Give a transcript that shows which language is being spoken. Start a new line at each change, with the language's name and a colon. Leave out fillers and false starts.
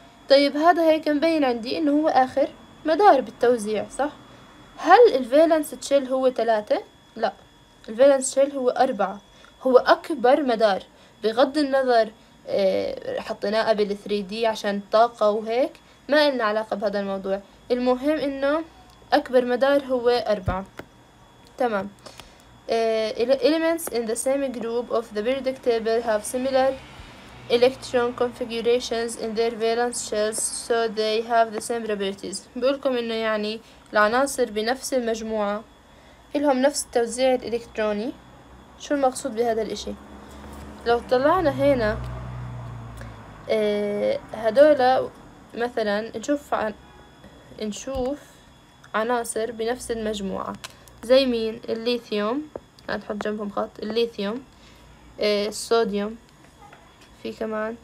Arabic: طيب هذا هيك مبين عندي انه هو اخر مدار بالتوزيع، صح؟ هل الفالانس تشيل هو 3؟ لا، الفالانس تشيل هو 4، هو اكبر مدار بغض النظر حطيناه قبل 3D عشان طاقة وهيك، ما لنا علاقة بهذا الموضوع، المهم انه اكبر مدار هو 4. تمام.
English: Elements in the same group of the periodic table have similar electron configurations in their valence shells, so they have the same properties.
Arabic: بقولكم إنه يعني العناصر بنفس المجموعة إلهم نفس التوزيع الإلكتروني. شو المقصود بهذا الإشي؟ لو طلعنا هنا هدول مثلاً نشوف عناصر بنفس المجموعة، زي مين؟ الليثيوم، هنحط جنبهم خط الليثيوم، الصوديوم، في كمان.